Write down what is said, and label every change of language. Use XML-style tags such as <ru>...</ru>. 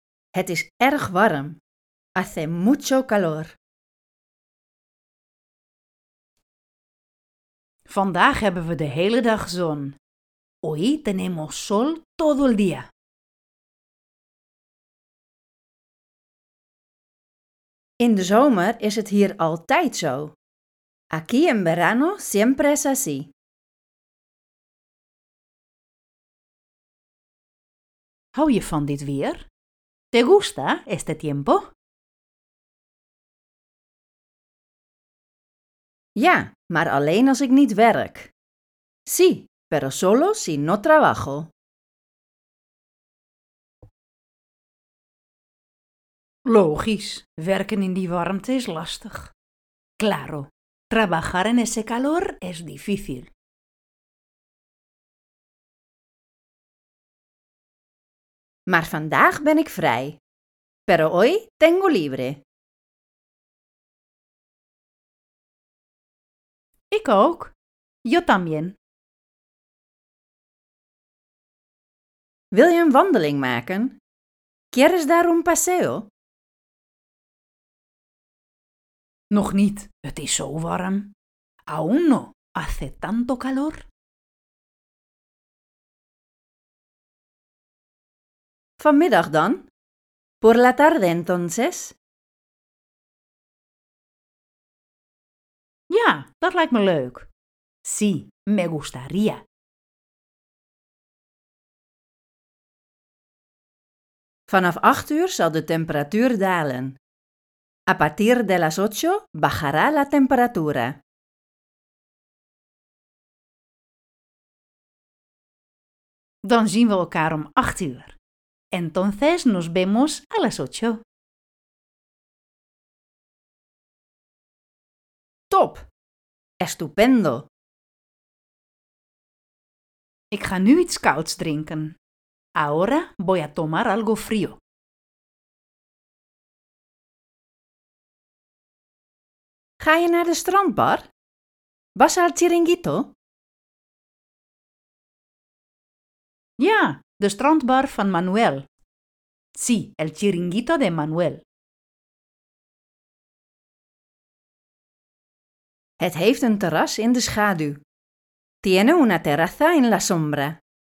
<nl>Het is erg warm.</nl> <es>Hace mucho calor.</es> <nl>Vandaag hebben we de hele dag zon.</nl> <es>Hoy tenemos sol todo el día.</es> <nl>In de zomer is het hier altijd zo.</nl> <es>Aquí en verano siempre es así.</es> <nl>Hou je van dit weer?</nl> <es>¿Te gusta este tiempo?</es> <nl>Ja, maar alleen als ik niet werk.</nl> <es>Sí, pero solo si no trabajo.</es> <nl>Logisch, werken in die warmte is lastig.</nl> <es>Claro, trabajar en ese calor es difícil.</es> <nl>Maar vandaag ben ik vrij.</nl> <es>Pero hoy tengo libre.</es> <nl>Ik ook.</nl> <es>Yo también.</es> <nl>Wil je een wandeling maken?</nl> <es>¿Quieres dar un paseo?</es> <nl>Nog niet. Het is zo warm.</nl> <es>Aún no. Hace tanto calor.</es> <nl>Vanmiddag dan.</nl> <es>Por la tarde, entonces.</es> <nl>Ja, dat lijkt me leuk.</nl> <es>Sí, me gustaría.</es> <nl>Vanaf 8 uur zal de temperatuur dalen.</nl> <es>A partir de las 8 bajará la temperatura.</es> <nl>Dan zien we elkaar om 8 uur.</nl> <es>Entonces nos vemos a las 8.</es> <nl>Top!</nl> <es>Estupendo!</es> <nl>Ik ga nu iets kouds drinken.</nl> <es>Ahora voy a tomar algo frío.</es> <nl>Ga je naar de strandbar?</nl> <es>¿Vas al chiringuito?</es> <nl>Ja, de strandbar van Manuel.</nl> <es>Sí, el chiringuito de Manuel.</es> <nl>Het heeft een terras in de schaduw.</nl> <es>Tiene una terraza en la sombra.</es>